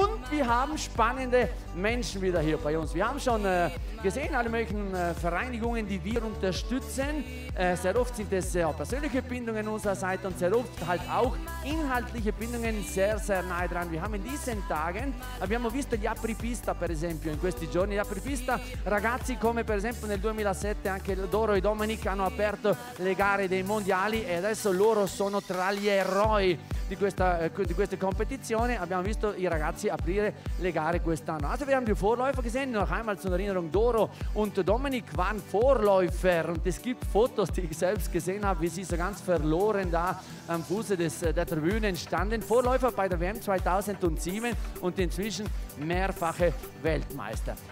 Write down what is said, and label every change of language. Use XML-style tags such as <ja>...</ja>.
<de>wir haben spannende Menschen wieder hier bei uns. Wir haben schon gesehen, alle möglichen Vereinigungen, die wir unterstützen. Sehr oft sind es persönliche Bindungen unserer Seite und sehr oft halt auch inhaltliche Bindungen sehr, sehr nahe dran. Wir haben in diesen Tagen,</de> <it>abbiamo visto gli apripista, per esempio, in questi giorni, gli apripista, ragazzi come per esempio nel 2007 anche Doro e Dominic hanno aperto le gare dei mondiali e adesso loro sono tra gli eroi di questa competizione. Abbiamo visto i ragazzi aprire le gare quest'anno.</it> <de>Also wir haben die Vorläufer gesehen, noch einmal zur Erinnerung, Doro und Dominic waren Vorläufer und es gibt Fotos, die ich selbst gesehen habe, wie sie so ganz verloren da am Fuße der Tribüne entstanden. Vorläufer bei der WM 2007 und inzwischen mehrfache Weltmeister.</de>